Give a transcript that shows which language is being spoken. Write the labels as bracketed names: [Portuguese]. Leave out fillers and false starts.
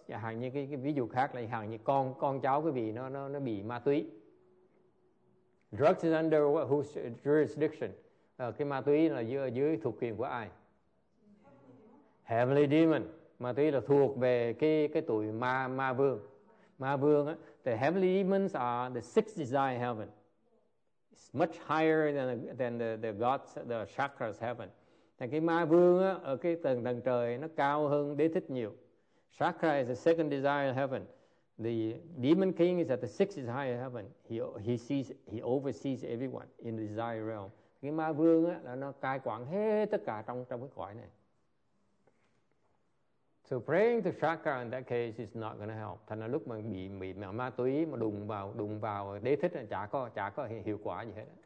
[Vietnamese] Chẳng hạn như cái ví dụ khác là hạn như con cháu quý vị nó bị ma túy. [English] Drugs is under whose jurisdiction? [Vietnamese] Cái ma túy là dưới thuộc quyền của ai? [English] Heavenly demon. [Vietnamese] Ma túy là thuộc về cái tụi ma vương. Ma vương á, [English] the heavenly demons are the sixth desire heaven. It's much higher than the gods, the chakras heaven. [Vietnamese] Thì cái ma vương á, ở cái tầng trời nó cao hơn đế thích nhiều. [English] Chakra is the second desire heaven. The demon king is at the sixth desire heaven. He oversees everyone in the desire realm. [Vietnamese] Cái ma vương á, là nó cai quản hết tất cả trong cái cõi này. [English] So praying to chakra in that case is not going to help. [Vietnamese] Thành ra lúc mà bị ma túy mà đụng vào đế thích là chả có hiệu quả gì hết.